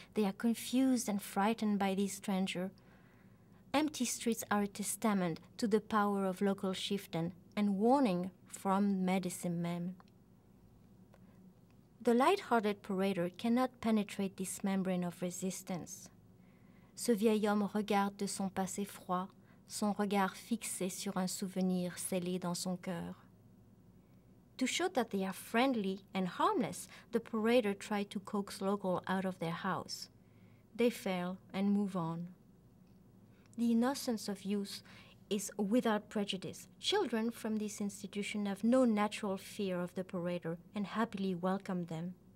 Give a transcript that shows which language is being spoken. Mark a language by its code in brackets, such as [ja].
[en] They are confused and frightened by this stranger. Empty streets are a testament to the power of local chieftain and warning from medicine men. The light-hearted parader cannot penetrate this membrane of resistance. [fr] Ce vieil homme regarde de son passé froid, son regard fixé sur un souvenir scellé dans son cœur. [en] To show that they are friendly and harmless, the parader tried to coax locals out of their house. They fail and move on. The innocence of youth is without prejudice. Children from this institution have no natural fear of the parader and happily welcome them.